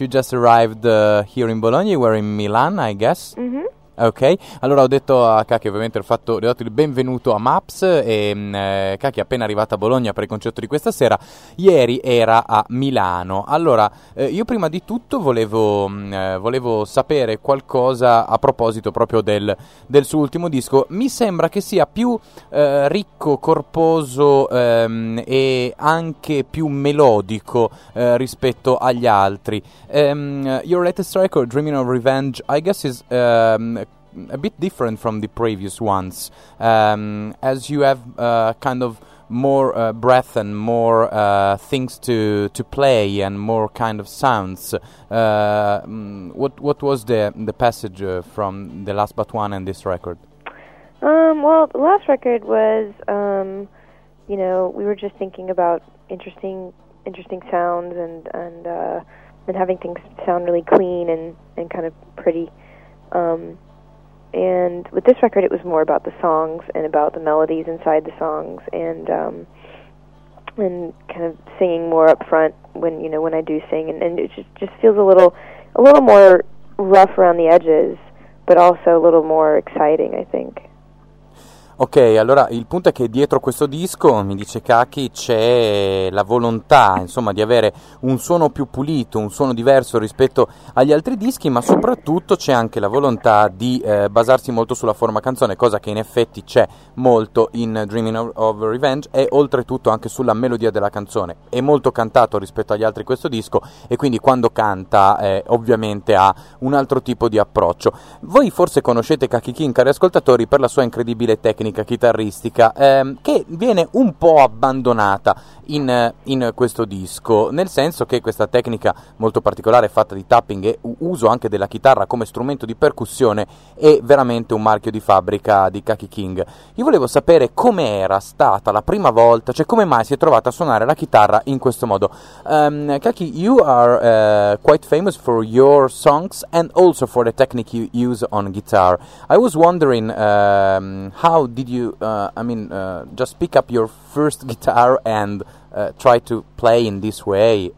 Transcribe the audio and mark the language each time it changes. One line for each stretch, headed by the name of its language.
English: You just arrived here in Bologna, you were in Milan, I guess. Mm-hmm.
Italian: Ok, allora ho detto a Kaki, ovviamente le ho dato il benvenuto a MAPS e Kaki è appena arrivata a Bologna per il concerto di questa sera, ieri era a Milano. Allora, io prima di tutto volevo sapere qualcosa a proposito proprio del suo ultimo disco. Mi sembra che sia più ricco, corposo e anche più melodico rispetto agli altri.
English: Your latest record, Dreaming of Revenge, I guess is... a bit different from the previous ones, as you have kind of more breath and more things to play and more kind of sounds. What was the passage from the last but one and this record? Well, the last record was, you know, we were just thinking about interesting sounds and having things sound really clean and kind of pretty. And with this record, it was more about the songs and about the melodies inside the songs, and kind of singing more up front when I do sing, and it just feels a little more rough around the edges, but also a little more exciting, I think.
Italian: Ok, allora il punto è che dietro questo disco, mi dice Kaki, c'è la volontà, insomma, di avere un suono più pulito, un suono diverso rispetto agli altri dischi, ma soprattutto c'è anche la volontà di basarsi molto sulla forma canzone, cosa che in effetti c'è molto in Dreaming of Revenge e oltretutto anche sulla melodia della canzone. È molto cantato rispetto agli altri questo disco e quindi quando canta ovviamente ha un altro tipo di approccio. Voi forse conoscete Kaki King, cari ascoltatori, per la sua incredibile tecnica chitarristica che viene un po' abbandonata in questo disco, nel senso che questa tecnica molto particolare fatta di tapping e uso anche della chitarra come strumento di percussione è veramente un marchio di fabbrica di Kaki King. Io volevo sapere come era stata la prima volta, cioè come mai si è trovata a suonare la chitarra in questo modo.
English: Kaki, you are quite famous for your songs and also for the technique you use on guitar. I was wondering how did you, just pick up your first guitar and try to play in this way?